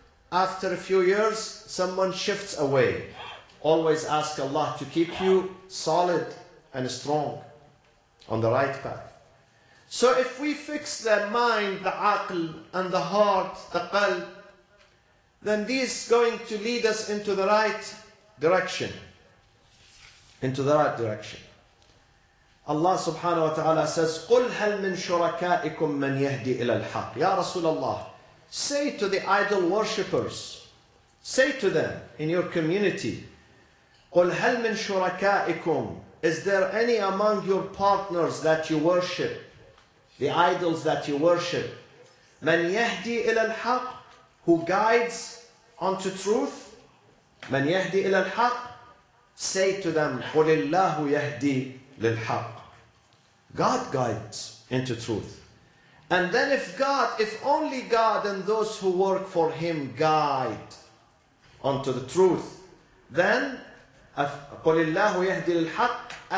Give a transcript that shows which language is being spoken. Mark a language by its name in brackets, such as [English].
[English] After a few years, someone shifts away. Always ask Allah to keep you solid and strong on the right path. So if we fix the mind, the aql, and the heart, the qalb, then this is going to lead us into the right direction. Into the right direction. [Arabic] Allah subhanahu wa ta'ala [English] says, [Arabic] قُلْ هَلْ مِنْ شُرَكَائِكُمْ مَنْ يَهْدِي إِلَى الْحَقِّ. [English] Ya Rasulullah, say to the idol worshippers, say to them in your community, [Arabic] قُلْ هَلْ مِنْ شُرَكَائِكُمْ. [English] Is there any among your partners that you worship, the idols that you worship, [Arabic] مَنْ يَهْدِي إِلَى الْحَقِّ, [English] who guides unto truth? [Arabic] مَنْ يَهْدِي إِلَى الْحَقِّ. [English] Say to them, [Arabic] قُلِ اللَّهُ يَهْدِي لِلْحَقِّ. [English] God guides into truth. And then if only God and those who work for Him guide unto the truth, then [Arabic] قُلِ اللَّهُ يَهْدِي لِلْحَقِّ.